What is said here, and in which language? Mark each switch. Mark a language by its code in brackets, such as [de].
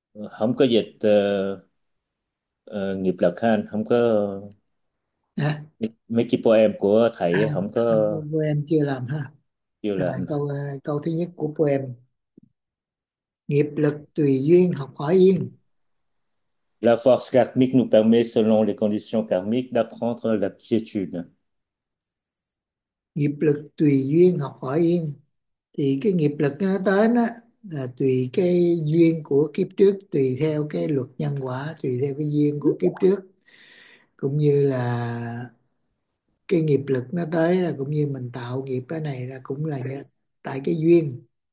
[vi] Không có dịch nghiệp lực ha anh, không có À, mấy cái poem của thầy à, không có của em chưa làm ha. chưa Rồi, làm. câu câu thứ nhất của em: nghiệp lực tùy duyên, học hỏi duyên. [fr] La force karmique nous permet, selon les conditions karmiques, d'apprendre la quiétude. [vi] Nghiệp lực tùy duyên, học hỏi duyên. Thì cái nghiệp lực nó đến á là tùy cái duyên của kiếp trước, tùy theo cái luật nhân quả, tùy theo cái duyên của kiếp trước. Cũng như là cái nghiệp lực nó tới là cũng như mình tạo nghiệp cái này là cũng là tại cái duyên.